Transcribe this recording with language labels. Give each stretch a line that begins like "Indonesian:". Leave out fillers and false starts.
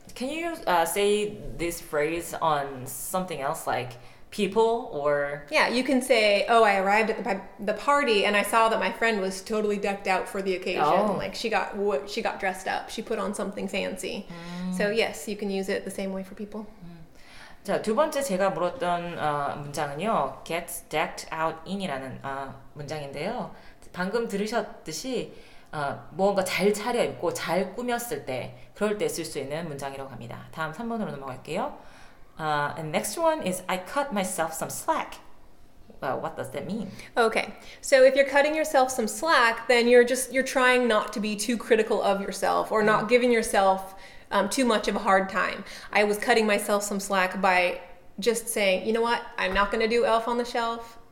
English: Can you say this phrase on something else, like people or... Yeah, you can say, oh, I arrived at the party and I saw that my friend was totally decked out for the occasion. Oh. Like she got dressed up. She put on something fancy. Mm. So yes, you can use it the same way for people. Mm.
Korean: 자, 두 번째 제가 물었던 문장은요.
English: Get decked out in
Korean: 이라는 문장인데요. 방금 들으셨듯이 무언가 잘 차려입고 잘 꾸몄을 때 그럴 때 쓸 수 있는 문장이라고 합니다. 다음 3번으로 넘어갈게요.
English: And next one is I cut myself some slack. What does that mean? Okay, so if you're cutting yourself some slack, then you're trying not to be too critical of yourself or not giving yourself too much of a hard time. I was cutting myself some slack by just saying, you know what, I'm not going to do Elf on the Shelf.